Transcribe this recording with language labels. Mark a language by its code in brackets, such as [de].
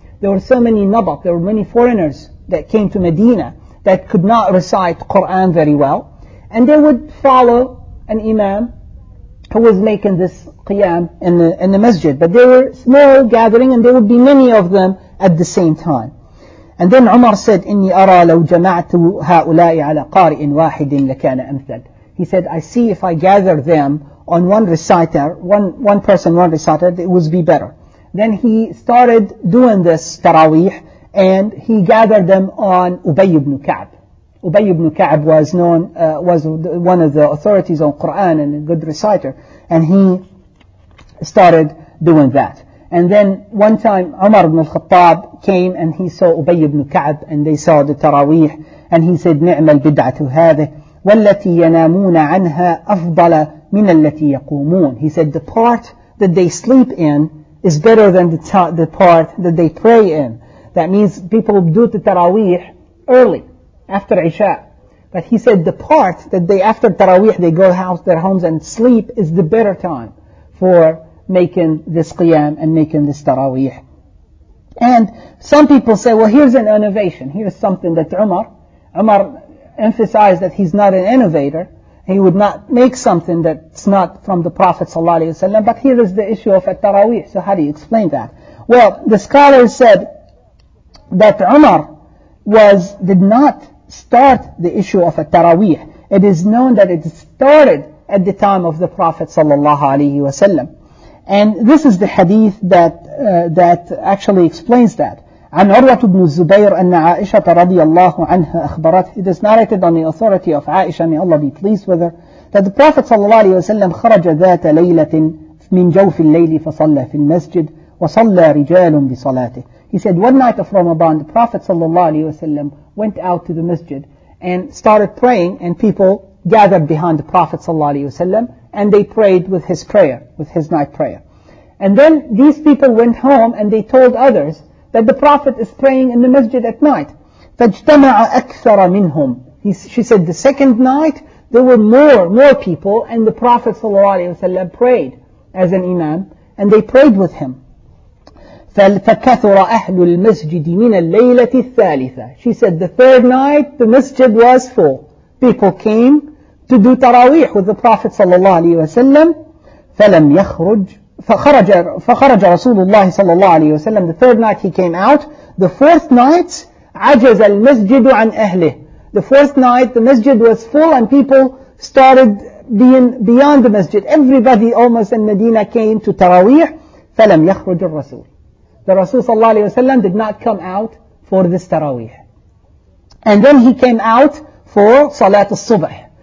[en] There were so many nabat, there were many foreigners that came to Medina that could not recite Quran very well. And they would follow an imam who was making this qiyam in the masjid. But there were small gathering and there would be many of them at the same time. And then Umar said, [ar] إِنِّي أَرَى لَوْ جَمَعْتُ هَؤُلَاءِ عَلَى قَارِئٍ وَاحِدٍ لَكَانَ أَمْثَلٍ. [en] He said, I see if I gather them on one reciter, one person, it would be better. Then he started doing this taraweeh and he gathered them on Ubay ibn Ka'b. Ubay ibn Ka'b was known, was one of the authorities on Quran and a good reciter. And he started doing that. And then one time Umar ibn al-Khattab came and he saw Ubay ibn Ka'b and they saw the taraweeh. And he said, [ar] نعم البدعة هذه والتي ينامون عنها أفضل من التي يقومون. [en] He said, the part that they sleep in is better than the part that they pray in. That means people do the taraweeh early, after Isha. But he said the part that they, after taraweeh, they go out their homes and sleep is the better time for making this qiyam and making this taraweeh. And some people say, well, here's an innovation. Here's something that Umar emphasized that he's not an innovator. He would not make something that's not from the Prophet sallallahu alaihi wasallam. But here is the issue of at-taraweeh. So how do you explain that? Well, the scholars said that Umar did not start the issue of at-taraweeh. It is known that it started at the time of the Prophet sallallahu alaihi wasallam. And this is the hadith that actually explains that. [ar] عن عروة بن الزبير أن عائشة رضي الله عنها أخبرت. [en] It is narrated on the authority of Aisha, may Allah be pleased with her, that the Prophet [ar] صلى الله عليه وسلم خرج ذات ليلة من جوف الليل فصلى في المسجد وصلى رجال بصلاته. [en] He said, one night of Ramadan, the Prophet صلى الله عليه وسلم went out to the masjid and started praying, and people gathered behind the Prophet صلى الله عليه وسلم and they prayed with his prayer, with his night prayer. And then these people went home and they told others that the Prophet is praying in the masjid at night. [ar] فَاجْتَمَعَ أَكْثَرَ مِنْهُمْ. [en] She said, the second night, there were more people, and the Prophet ﷺ prayed as an imam, and they prayed with him. [ar] فَكَثُرَ أَهْلُ الْمَسْجِدِ مِنَ اللَّيْلَةِ الثَّالِثَةِ. [en] She said, the third night, the masjid was full. People came to do taraweeh with the Prophet ﷺ. [ar] فَلَمْ يَخْرُجْ فخرج رسول الله صلى الله عليه وسلم. [en] The third night he came out. The fourth night, [ar] عجز المسجد عن أهله. [en] The fourth night, the masjid was full and people started being beyond the masjid. Everybody almost in Medina came to تراويح. [ar] فلم يخرج الرسول. [en] The Rasul صلى الله عليه وسلم did not come out for this تراويح. And then he came out for صلاة الصبح.